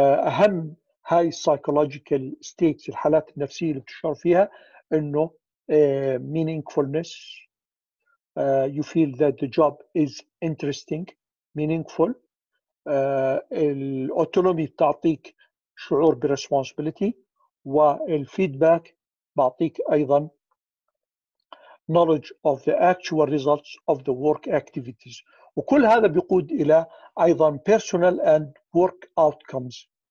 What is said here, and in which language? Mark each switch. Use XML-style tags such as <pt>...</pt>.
<ar>أهم هاي psychological states، الحالات النفسية اللي تشعر فيها، إنه meaningfulness.</ar> <en>You feel that the job is interesting, meaningful.</en> <ar>الأوتونومي بتعطيك شعور بالresponsibility، والفيدباك بعطيك أيضا</ar> <en>knowledge of the actual results of the work activities.</en> <ar>وكل هذا بيقود إلى أيضا</ar> <en>personal and work outcomes.</en>